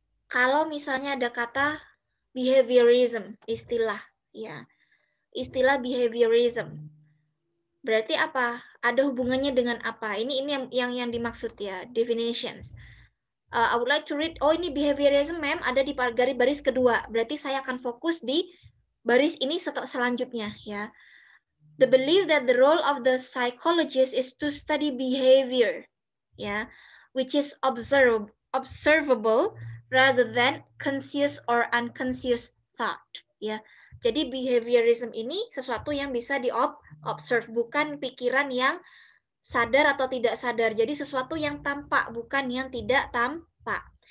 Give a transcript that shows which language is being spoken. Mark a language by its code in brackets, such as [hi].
[id] Kalau misalnya ada kata behaviorism, istilah ya, istilah behaviorism. Berarti apa? Ada hubungannya dengan apa? Ini yang dimaksud ya, definitions. [en] I would like to read, oh ini behaviorism ma'am, [id] ada di baris kedua. Berarti saya akan fokus di baris ini selanjutnya ya. [en] The belief that the role of the psychologist is to study behavior, ya, which is observable rather than conscious or unconscious thought, ya. [id] Jadi behaviorism ini sesuatu yang bisa diobserve, bukan pikiran yang sadar atau tidak sadar. Jadi sesuatu yang tampak, bukan yang tidak tampak.